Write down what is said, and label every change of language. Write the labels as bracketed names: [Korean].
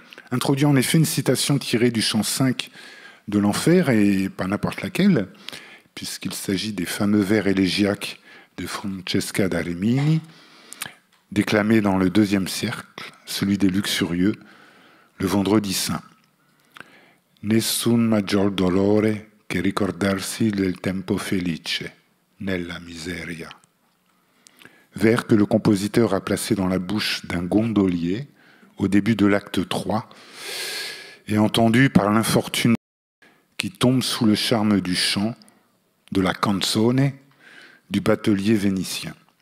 [French] introduit en effet une citation tirée du chant 5 de l'Enfer, et pas n'importe laquelle, puisqu'il s'agit des fameux vers élégiaques de Francesca da Rimini, déclamés dans le deuxième cercle, celui des luxurieux, le vendredi saint. [Italian] Nessun maggior dolore che ricordarsi del tempo felice nella miseria. [French] Vers que le compositeur a placé dans la bouche d'un gondolier au début de l'acte 3 et entendu par l'infortuné qui tombe sous le charme du chant, de la canzone, du batelier vénitien.